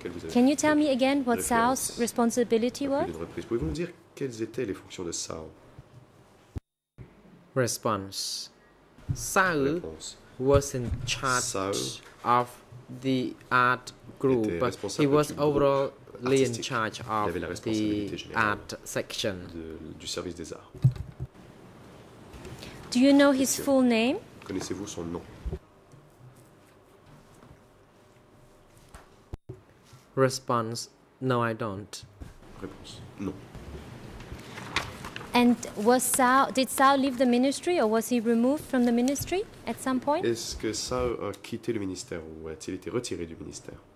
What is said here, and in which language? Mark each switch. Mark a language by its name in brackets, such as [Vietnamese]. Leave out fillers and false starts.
[English] Can you tell me again what Sao's responsibility was? [French] Pouvez-vous nous dire quelles étaient les fonctions de Sao? [English] Response: Sao was in charge of the art group, but he was overall in charge of the art section. [French] Du service des arts. [English] Do you know his full name? [French] Connaissez-vous son nom? [English] Response: No, I don't. [French] Réponse: Non. [English] And was Sao, did Sao leave the ministry or was he removed from the ministry at some point? [French] Est-ce que Sao a quitté le ministère ou a-t-il été retiré du ministère?